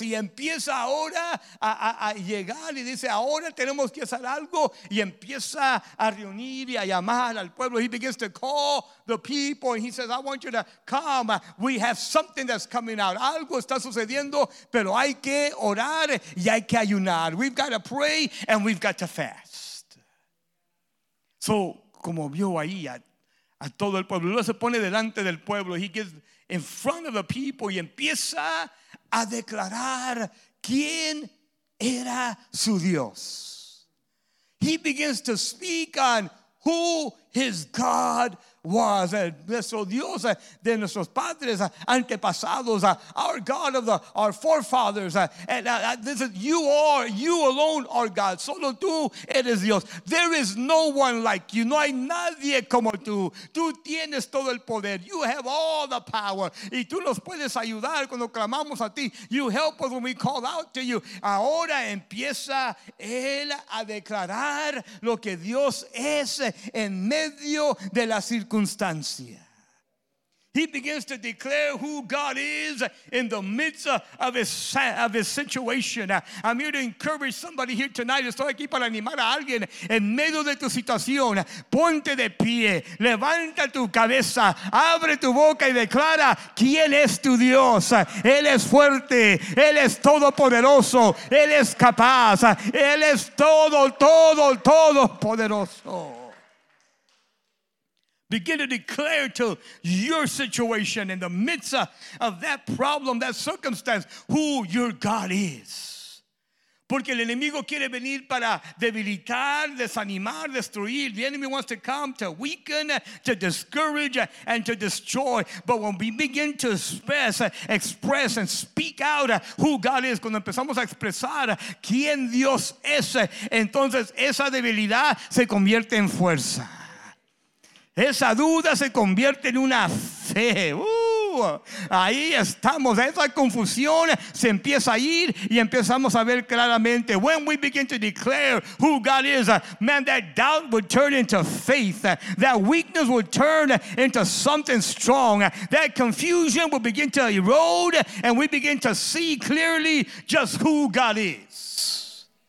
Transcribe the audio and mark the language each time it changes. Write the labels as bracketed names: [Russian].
[Spanish] Y empieza ahora a llegar y dice: ahora tenemos que hacer algo. Y empieza a reunir y a llamar al pueblo. [English] He begins to call the people and he says, I want you to come. We have something that's coming out. [Spanish] Algo está sucediendo, pero hay que orar y hay que ayunar. [English] We've got to pray and we've got to fast. [Spanish] So, como vio ahí a todo el pueblo, luego se pone delante del pueblo. [English] He gives in front of the people [Spanish] y empieza a declarar quién era su Dios. [English] He begins to speak on who his God was. [Spanish] Nuestro Dios de nuestros padres antepasados, [English] our God of our forefathers. This is, you alone are God. [Spanish] Solo tú eres Dios. [English] There is no one like you. [Spanish] No hay nadie como tú. Tú tienes todo el poder. [English] You have all the power. [Spanish] Y tú nos puedes ayudar cuando clamamos a ti. [English] You help us when we call out to you. [Spanish] Ahora empieza él a declarar lo que Dios es en medio de la circunstancia. [English] He begins to declare who God is in the midst of his situation. I'm here to encourage somebody here tonight. [Spanish] Estoy aquí para animar a alguien en medio de tu situación. Ponte de pie, levanta tu cabeza, abre tu boca y declara quién es tu Dios. Él es fuerte, Él es todopoderoso, Él es capaz, Él es todo poderoso. [English] Begin to declare to your situation in the midst of that problem, that circumstance, who your God is. [Spanish] Porque el enemigo quiere venir para debilitar, desanimar, destruir. [English] The enemy wants to come to weaken, to discourage, and to destroy. But when we begin to express and speak out who God is, [Spanish] cuando empezamos a expresar quién Dios es, entonces esa debilidad se convierte en fuerza. Esa duda se convierte en una fe. Ahí estamos. Esa confusión se empieza a ir y empezamos a ver claramente. [English] When we begin to declare who God is, man, that doubt will turn into faith. That weakness will turn into something strong. That confusion will begin to erode and we begin to see clearly just who God is.